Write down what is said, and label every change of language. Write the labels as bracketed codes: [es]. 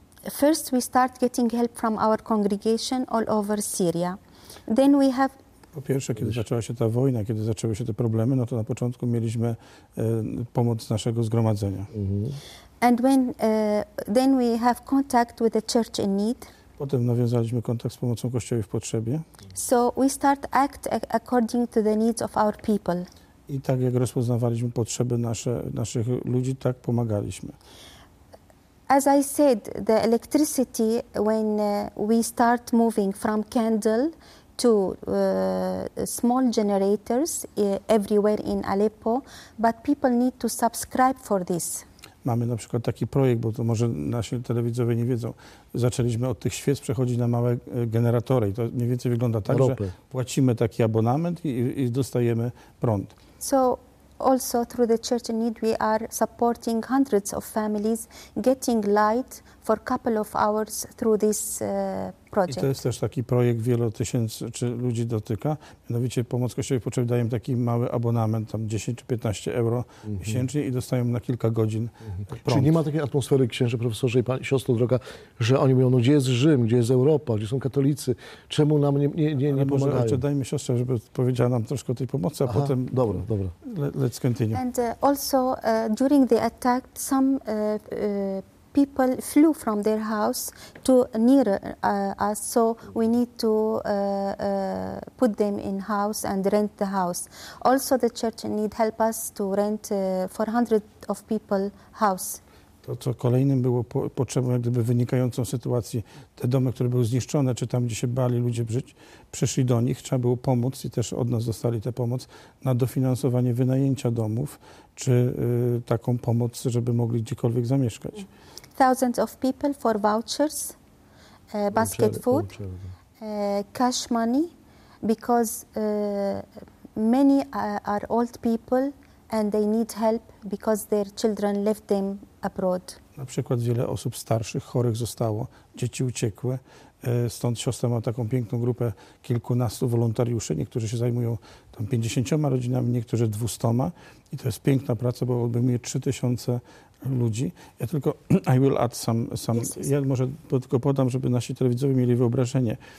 [en] First, we start getting help from our congregation all over Syria. Then we have. [pl] Po pierwsze, kiedy zaczęła się ta wojna, kiedy zaczęły się te problemy, no to na początku mieliśmy pomoc z naszego zgromadzenia. Mm-hmm. [en] And when then we have contact with the church in need. [pl] Potem nawiązaliśmy kontakt z pomocą kościołów w potrzebie. [en] So we start act according to the needs of our people. [pl] I tak jak rozpoznawaliśmy potrzeby naszych ludzi, tak pomagaliśmy. [en] As I said, the electricity, when we start moving from candle to small generators everywhere in Aleppo, but people need to subscribe for this. [pl] Mamy na przykład taki projekt, bo to może nasi telewidzowie nie wiedzą. Zaczęliśmy od tych świec przechodzić na małe generatory. I to mniej więcej wygląda tak, Europy. Że płacimy taki abonament i dostajemy prąd. [en] So also through the Church in Need, we are supporting hundreds of families getting light for a couple of hours through this project. [pl] I to jest też taki projekt, wielu tysięcy czy ludzi dotyka. Mianowicie pomoc Kościołowi potrzebnej dajemy taki mały abonament, tam 10 czy 15 euro miesięcznie i dostają na kilka godzin prąd. Czyli nie ma takiej atmosfery, księże, profesorze i pani, siostro droga, że oni mówią, no gdzie jest Rzym, gdzie jest Europa, gdzie są katolicy, czemu nam nie pomagają? Ale może dajmy siostrze, żeby powiedziała nam troszkę tej pomocy, a aha, potem... Dobra. [en] Let's continue. And also during the attack, some people flew from their house to near us, so we need to put them in house and rent the house. Also, the Church need help us to rent 400 of people house. [pl] To, co kolejnym było potrzebą, jak gdyby wynikającą z sytuacji, te domy, które były zniszczone, czy tam, gdzie się bali ludzie żyć, przyszli do nich, trzeba było pomóc i też od nas dostali tę pomoc na dofinansowanie wynajęcia domów, czy taką pomoc, żeby mogli gdziekolwiek zamieszkać. [en] Thousands of people for vouchers, basket food, cash money, because many are old people and they need help because their children left them abroad. [pl] Na przykład wiele osób starszych, chorych zostało, dzieci uciekły, stąd siostra ma taką piękną grupę kilkunastu wolontariuszy, niektórzy się zajmują tam 50 rodzinami, niektórzy 200 i to jest piękna praca, bo obejmuje 3000 ludzi. Ja tylko, [en] I will add some yes. [pl] Ja może tylko podam, żeby nasi telewidzowie mieli wyobrażenie.